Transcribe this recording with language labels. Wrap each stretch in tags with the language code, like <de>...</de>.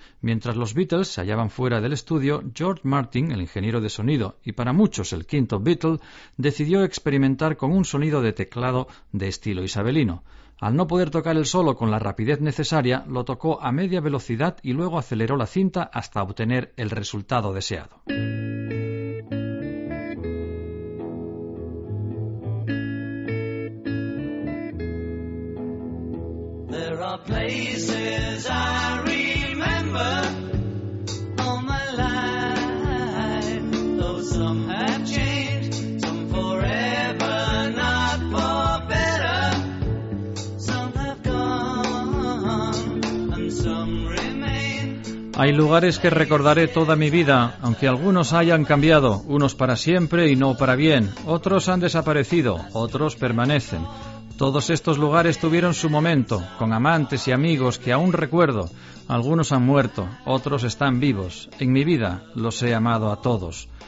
<es>Mientras los Beatles se hallaban fuera del estudio, George Martin, el ingeniero de sonido y para muchos el quinto Beatle, decidió experimentar con un sonido de teclado de estilo isabelino. Al no poder tocar el solo con la rapidez necesaria, lo tocó a media velocidad y luego aceleró la cinta hasta obtener el resultado deseado.</es> <en>There are places I remember all my life, though some have changed, some forever, not for better. Some have gone and some remain.</en> <es>Hay lugares que recordaré toda mi vida, aunque algunos hayan cambiado, unos para siempre y no para bien. Otros han desaparecido, otros permanecen. Todos estos lugares tuvieron su momento, con amantes y amigos que aún recuerdo. Algunos han muerto, otros están vivos. En mi vida los he amado a todos.</es>